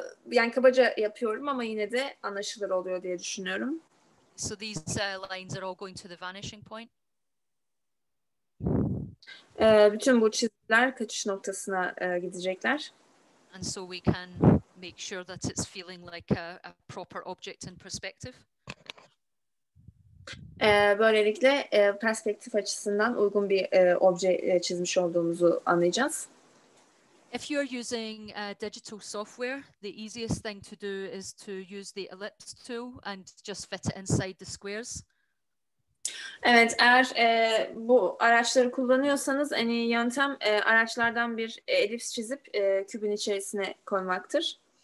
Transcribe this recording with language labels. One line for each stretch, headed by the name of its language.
Turkish: yani kabaca yapıyorum ama yine de anlaşılır oluyor diye düşünüyorum.
English: So these lines are all going to the vanishing point.
Turkish: Bütün bu çizgiler kaçış noktasına gidecekler.
English: And so we can make sure that it's feeling like a proper object in perspective.
Turkish: Böylelikle perspektif açısından uygun bir obje çizmiş olduğumuzu anlayacağız.
English: If you're using digital software, the easiest thing to do is to use the ellipse tool and just fit it inside the squares.
Turkish: Evet, eğer bu araçları kullanıyorsanız en iyi yöntem araçlardan bir elips çizip kübün içerisine koymaktır.